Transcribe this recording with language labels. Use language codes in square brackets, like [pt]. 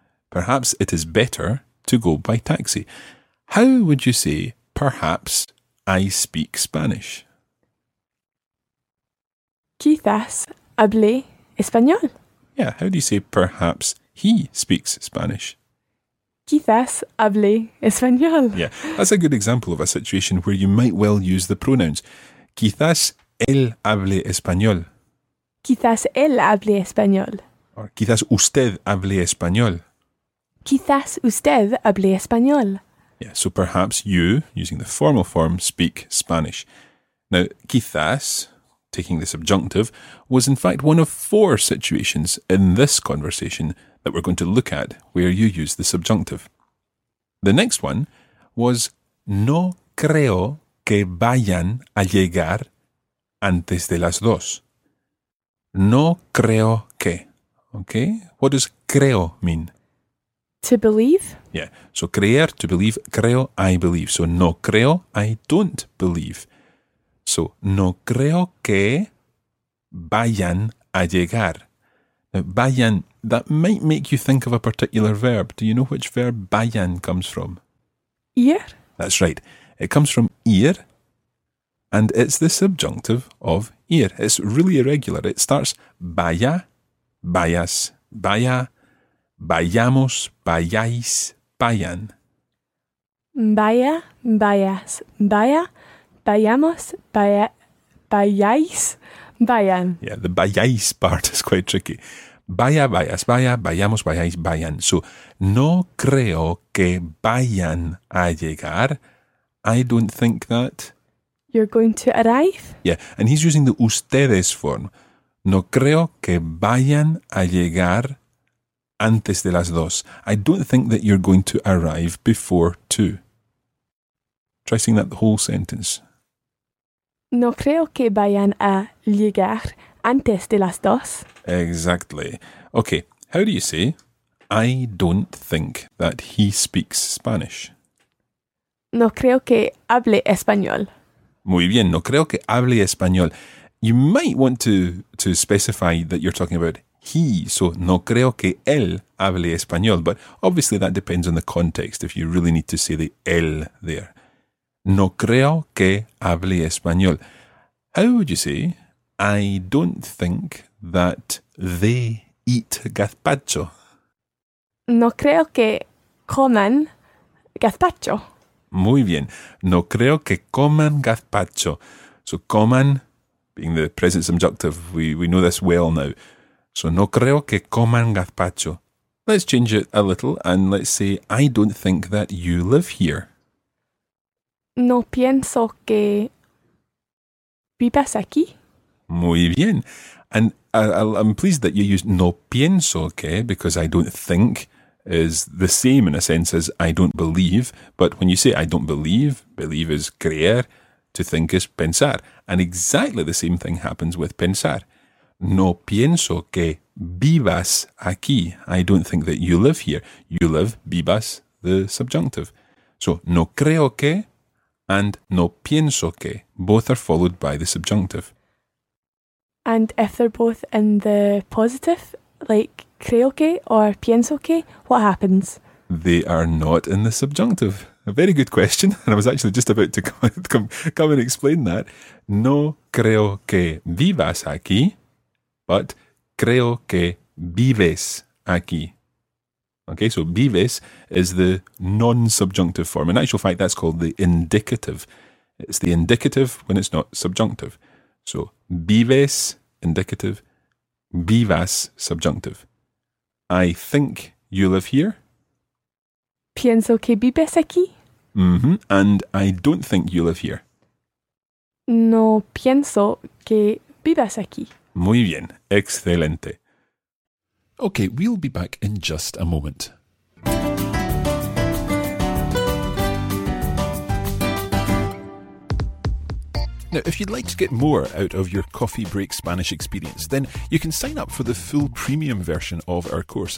[en] Perhaps it is better to go by taxi. How would you say, perhaps I speak Spanish? [es] Quizás hable español. [en] Yeah, how do you say perhaps he speaks Spanish? [es] Quizás hable español. [en] Yeah, that's a good example of a situation where you might well use the pronouns. [es] Quizás él hable español. Quizás él hable español. Or quizás usted hable español. Quizás usted hable español. [en] Yeah, so perhaps you, using the formal form, speak Spanish. Now, quizás, taking the subjunctive, was in fact one of four situations in this conversation that we're going to look at where you use the subjunctive. The next one was, [es] no creo que vayan a llegar antes de las dos. No creo que. [en] Okay, what does creo mean? To believe. Yeah, so creer, to believe, creo, I believe. So [es] no creo, [en] I don't believe. [es] So, no creo que vayan a llegar. [en] Now, vayan, that might make you think of a particular verb. Do you know which verb vayan comes from? [es] Ir. [en] That's right. It comes from ir, and it's the subjunctive of ir. It's really irregular. [es] It starts vaya, vayas, vaya, vayamos, vayáis, vayan. Vaya, vayas, vaya. Vayamos, vayáis, Vayan. [en] Yeah, the vayáis part is quite tricky. [es] Vaya, vayas, vaya, vayamos, vayáis, vayan. So, no creo que vayan a llegar. [en] I don't think that. You're going to arrive? Yeah, and he's using the ustedes form. [es] No creo que vayan a llegar antes de las dos. [en] I don't think that you're going to arrive before two. Try saying that the whole sentence. [es] No creo que vayan a llegar antes de las dos. [en] Exactly. Okay, how do you say, I don't think that he speaks Spanish? [es] No creo que hable español. Muy bien, no creo que hable español. [en] You might want to specify that you're talking about he, so [es] no creo que él hable español, [en] but obviously that depends on the context, if you really need to say the él there. [es] No creo que hable español. [en] How would you say, I don't think that they eat gazpacho? [es] No creo que coman gazpacho. Muy bien. No creo que coman gazpacho. [en] So coman, being the present subjunctive, we know this well now. [es] So no creo que coman gazpacho. [en] Let's change it a little and let's say, I don't think that you live here. [es] No pienso que vivas aquí. Muy bien. [en] And I'm pleased that you use [es] no pienso que, [en] because I don't think is the same in a sense as I don't believe. But when you say I don't believe, believe is creer, to think is pensar. And exactly the same thing happens with pensar. [es] No pienso que vivas aquí. [en] I don't think that you live here. You live, vivas, the subjunctive. So [es] no creo que [en] and [es] no pienso que, [en] both are followed by the subjunctive. And if they're both in the positive, like [es] creo que [en] or [es] pienso que, [en] what happens? They are not in the subjunctive. A very good question. And I was actually just about to come and explain that. [es] No creo que vivas aquí, [en] but [es] creo que vives aquí. [en] Okay, so vives is the non-subjunctive form. In actual fact, that's called the indicative. It's the indicative when it's not subjunctive. So vives, indicative, vivas, subjunctive. I think you live here. [es] Pienso que vives aquí. Mm-hmm. [en] And I don't think you live here. [es] No pienso que vives aquí. Muy bien. Excelente. [en] Okay, we'll be back in just a moment. Now, if you'd like to get more out of your Coffee Break Spanish experience, then you can sign up for the full premium version of our course.